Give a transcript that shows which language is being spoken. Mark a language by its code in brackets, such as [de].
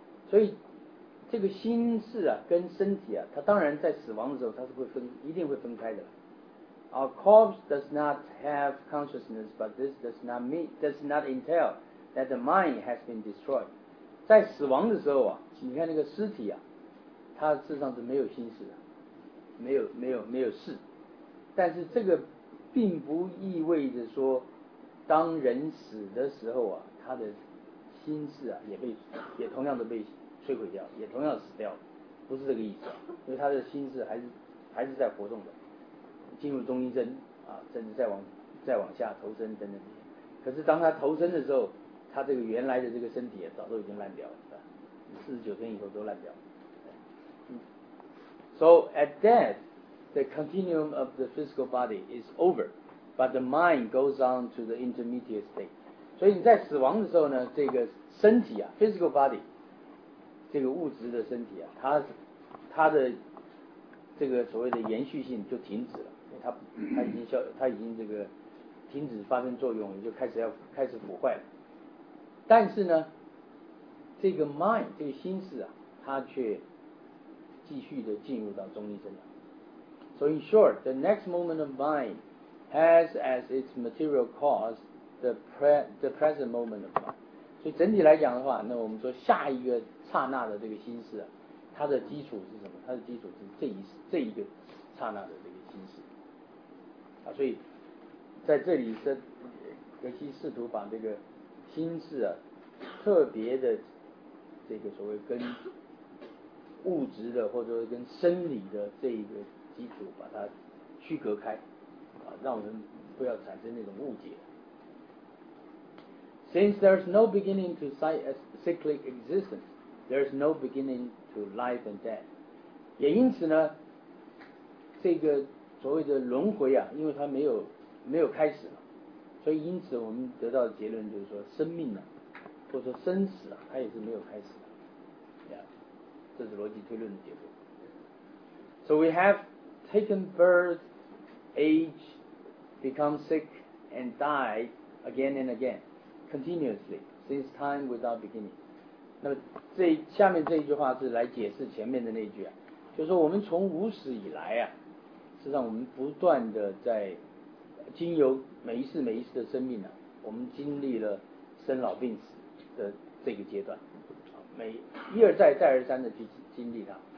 [zh] 所以这个心事啊跟身体啊，它当然在死亡的时候它是会分，一定会分开的。 [en] Our corpse does not have consciousness, but this does not entail that the mind has been destroyed. [zh] 在死亡的时候啊，你看那个尸体啊，它事实上是没有心事的，没有事。但是这个并不意味着说当人死的时候啊，他的心事啊也同样的被摧毁掉，也同样死掉了，不是这个意思。因为他的心事还是在活动的，进入中阴身啊，甚至再往下投身等等。可是当他投身的时候，他这个原来的这个身体啊早都已经烂掉了，49天以后都烂掉了。 [en] So at deathThe continuum of the physical body is over, but the mind goes on to the intermediate state. [zh] 所以你在死亡的时候呢，这个身体啊 ， [en] physical body， [zh] 这个物质的身体啊，它的这个所谓的延续性就停止了，它已经这个停止发生作用，也就开始腐坏了。但是呢，这个 mind 这个心事啊，它却继续的进入到中阴身了。 [en] So in short, the next moment of mind has as its material cause the present moment of mind. [zh] 所以整体来讲的话，那我们说下一个刹那的这个心事、啊、它的基础是什么？它的基础是这一个刹那的这个心事、啊、所以在这里是格西试图把这个心事啊特别的这个所谓跟物质的或者跟生理的这一个基础把它区隔开、啊、让我们不要产生那种误解。 [en] Since there is no beginning to cyclic existence, there is no beginning to life and death. [zh] 也因此呢，这个所谓的轮回啊，因为它没有开始了，所以因此我们得到的结论就是说，生命啊，或者说生死啊，它也是没有开始的。 Yeah, 这是逻辑推论的结果。 [en] So we haveTaken birth, age, become sick, and die again and again, continuously, since time without beginning. [zh] 那么这下面这一句话是来解释前面的那句啊，就是说我们从无始以来啊，实际上我们不断的在经由每一次每一次的生命啊，我们经历了生老病死的这个阶段，每一而再再而三的去经历它。